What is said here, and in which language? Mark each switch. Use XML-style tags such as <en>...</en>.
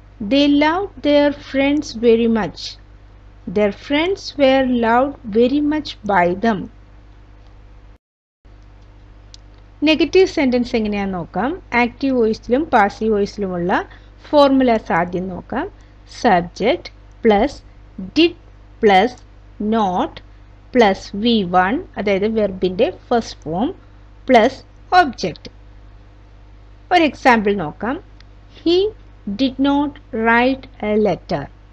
<en>They loved their friends very much. Their friends were loved very much by them.</en> <ml>Negative sentence എങ്ങനെയാ നോക്കാം. Active voice-ലും passive voice-ലുമുള്ള formulas ആദ്യം നോക്കാം.</ml> <en>Subject plus did plus not plus V one, അതായത് വെർബിൻ്റെ first form, plus object.</en> <ml>ഒരു example നോക്കാം.</ml> <en>He did not write a letter.</en>